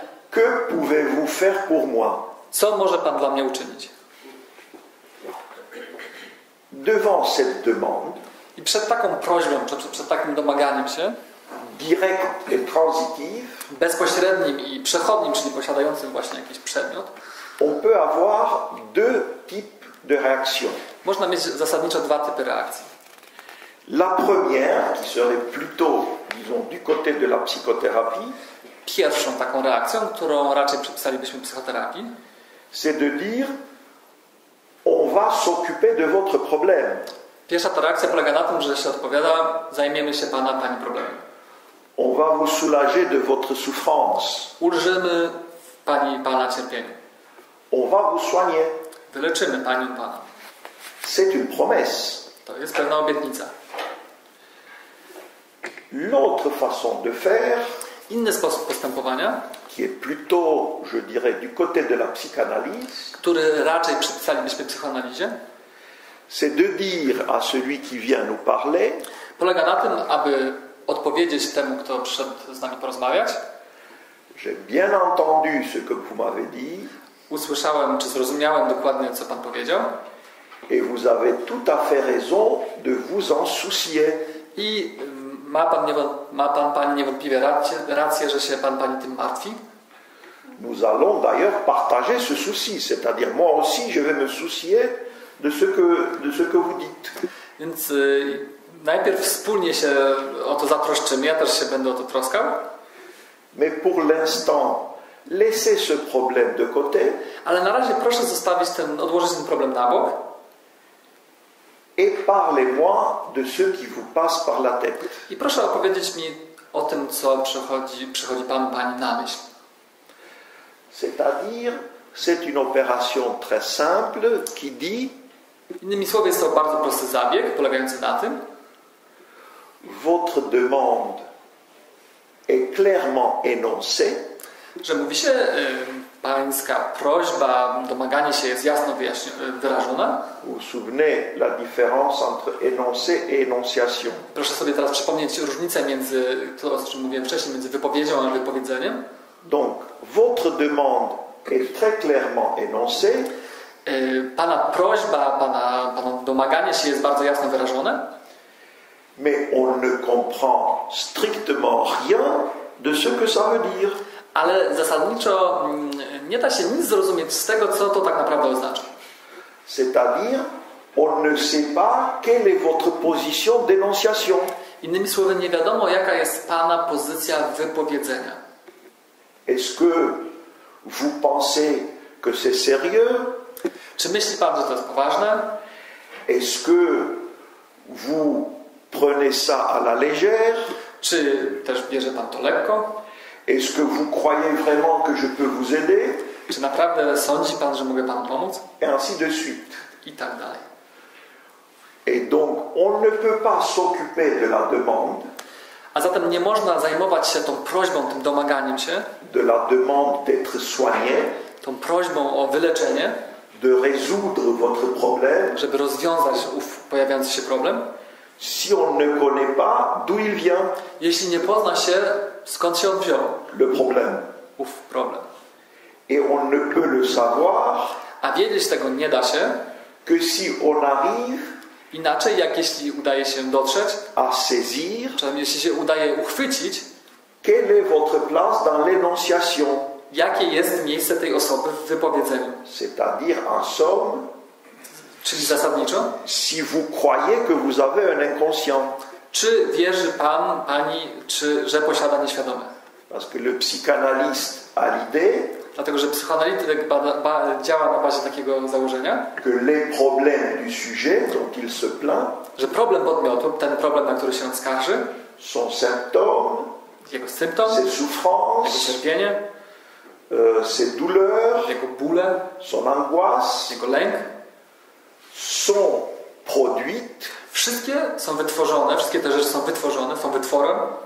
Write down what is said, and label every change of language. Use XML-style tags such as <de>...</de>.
<fr>Que pouvez-vous faire pour moi?</fr> <pl>Co może pan dla mnie uczynić?</pl> <fr>Devant cette demande.</fr> <pl>I przed taką prośbą, czy przed takim domaganiem się.</pl> <fr>directe et transitive,</fr> <pl>bezpośrednim i przechodnim, czyli posiadającym właśnie jakiś przedmiot,</pl> <fr>on peut avoir deux types de réactions.</fr> <pl>Można mieć zasadniczo dwa typy reakcji.</pl> <fr>La première, qui serait plutôt, disons, du côté de la psychothérapie,</fr> <pl>pierwszą taką reakcją, którą raczej przypisalibyśmy psychoterapii,</pl> <fr>c'est de dire on va s'occuper de votre problème.</fr> <pl>Pierwsza ta reakcja polega na tym, że się odpowiada, zajmiemy się pana, pani problemem.</pl> <fr>On va vous soulager de votre souffrance.</fr> <pl>Ulżymy pani, pana cierpieniu.</pl> <fr>On va vous soigner.</fr> <pl>Wyleczymy panią, pana.</pl> <fr>C'est une promesse.</fr> <pl>To jest pewna obietnica.</pl> <fr>L'autre façon de faire,</fr> <pl>inny sposób postępowania,</pl> <fr>qui est plutôt, je dirais, du côté de la psychanalyse,</fr> <pl>który raczej przypisalibyśmy psychoanalizie,</pl> <fr>c'est de dire à celui qui vient nous parler,</fr> <pl>polega na tym, aby odpowiedzieć temu, kto przyszedł z nami porozmawiać,</pl> <fr>j'ai bien entendu ce que vous m'avez dit,</fr> <pl>usłyszałem czy zrozumiałem dokładnie, co pan powiedział,</pl> <fr>et vous avez tout à fait raison de vous en soucier.</fr> <pl>I ma pan niewątpliwie rację, że się pan pani tym martwi.</pl> <fr>Nous allons d'ailleurs partager ce souci, c'est-à-dire moi aussi je vais me soucier de ce que vous dites.</fr> <pl>Więc najpierw wspólnie się o to zatroszczymy, ja też się będę o to troskał.</pl> <fr>Mais pour l'instant, laissez ce problème de côté.</fr> <pl>Ale na razie proszę zostawić ten, odłożyć ten problem na bok.</pl> <fr>Et parlez-moi de ce qui vous passe par la tête.</fr> <pl>I proszę opowiedzieć mi o tym, co przychodzi panu, pani na myśl.</pl> <fr>C'est-à-dire, c'est une opération très simple qui dit,</fr> <pl>innymi słowy, jest to bardzo prosty zabieg, polegający na tym,</pl> <fr>votre demande est clairement énoncée,</fr> <pl>że mówi się, pańska prośba, domaganie się jest jasno wyrażona.</pl> <fr>Vous souvenez la différence entre énoncé et énonciation.</fr> <pl>Proszę sobie teraz przypomnieć różnicę między, to o czym mówiłem wcześniej, między wypowiedzią a wypowiedzeniem.</pl> <fr>Donc, votre demande est très clairement énoncée.</fr> <pl>Pana prośba, pana domaganie się jest bardzo jasno wyrażone.</pl> <fr>Mais on ne comprend strictement rien de ce que ça veut dire.</fr> <pl>Ale zasadniczo nie da się nic zrozumieć z tego, co to tak naprawdę oznacza.</pl> <fr>C'est-à-dire, on ne sait pas quelle est votre position d'énonciation.</fr> <pl>Innymi słowy, nie wiadomo, jaka jest pana pozycja wypowiedzenia.</pl> <fr>Est-ce que vous pensez que c'est sérieux?</fr> <pl>Czy myśli pan, że to jest poważne?</pl> <fr>Est-ce que vous prenez ça à la légère?</fr> <pl>Czy też bierze pan to lekko?</pl> <fr>Est-ce que vous croyez vraiment que je peux vous aider?</fr> <pl>Czy naprawdę sądzi pan, że mogę panu pomóc?</pl> <fr>Et ainsi de suite.</fr> <pl>I tak dalej.</pl> <fr>Et donc, on ne peut pas s'occuper de la demande.</fr> <pl>A zatem nie można zajmować się tą prośbą, tym domaganiem się.</pl> <fr>De la demande d'être soigné.</fr> <pl>Tą prośbą o wyleczenie.</pl> <fr>De résoudre votre problème.</fr> <pl>Żeby rozwiązać pojawiający się problem.</pl> <fr>Si on ne connaît pas d'où il vient.</fr> <pl>Jeśli nie pozna się, skąd się on wziął.</pl> <fr>Le problème.</fr> <pl>Problem.</pl> <fr>Et on ne peut le savoir.</fr> <pl>A wiedzieć tego nie da się.</pl> <fr>Que si on arrive.</fr> <pl>Inaczej, jak jeśli udaje się dotrzeć,</pl> <fr>à saisir,</fr> <pl>czy jeśli się udaje uchwycić,</pl> <fr>quelle est votre place dans l'énonciation?</fr> <pl>Jakie jest miejsce tej osoby w wypowiedzeniu?</pl> <fr>C'est-à-dire, en somme,</fr> <pl>czyli zasadniczo,</pl> <fr>si vous croyez que vous avez un inconscient.</fr> <pl>Czy wierzy pan, pani, czy, że posiada nieświadome?</pl> <fr>Parce que le psychanalyste a l'idée,</fr> <pl>dlatego, że psychoanalityk działa na bazie takiego założenia,</pl> <fr>que les problèmes du sujet, dont il se plaint,</fr> <pl>że problem podmiotu, ten problem, na który się on skarży,</pl> <fr>son symptôme,</fr> <pl>jego symptom,</pl> <fr>ses souffrances,</fr> <pl>jego cierpienie,</pl> <fr>ses douleurs,</fr> <pl>jego bóle,</pl> <fr>son angoisse,</fr> <pl>jego lęk,</pl> <fr>sont produites,</fr> <pl>wszystkie są wytworzone, wszystkie te rzeczy są wytworzone, są wytworem,</pl>